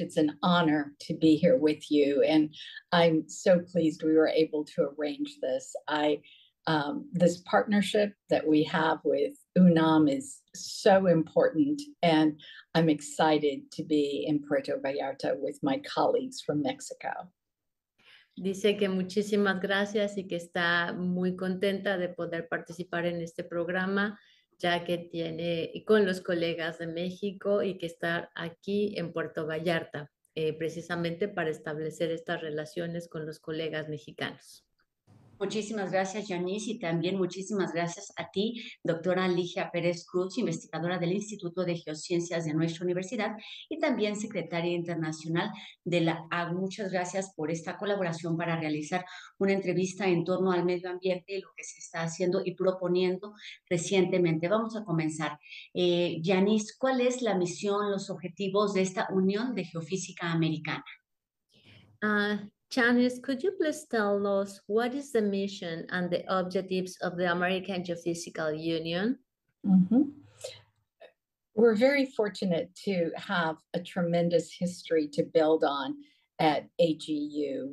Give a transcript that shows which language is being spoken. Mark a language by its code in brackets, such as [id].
[en] It's an honor to be here with you, and I'm so pleased we were able to arrange this. This partnership that we have with UNAM is so important, and I'm excited to be in Puerto Vallarta with my colleagues from Mexico. [es] Dice que muchísimas gracias y que está muy contenta de poder participar en este programa, ya que tiene con los colegas de México y que estar aquí en Puerto Vallarta, precisamente para establecer estas relaciones con los colegas mexicanos. Muchísimas gracias, Janice, y también muchísimas gracias a ti, doctora Ligia Pérez Cruz, investigadora del Instituto de Geociencias de nuestra universidad y también secretaria internacional de la AGU. Muchas gracias por esta colaboración para realizar una entrevista en torno al medio ambiente y lo que se está haciendo y proponiendo recientemente. Vamos a comenzar. Janice, ¿cuál es la misión, los objetivos de esta Unión de Geofísica Americana? [en] Janice, could you please tell us what is the mission and the objectives of the American Geophysical Union? Mm-hmm. We're very fortunate to have a tremendous history to build on at AGU.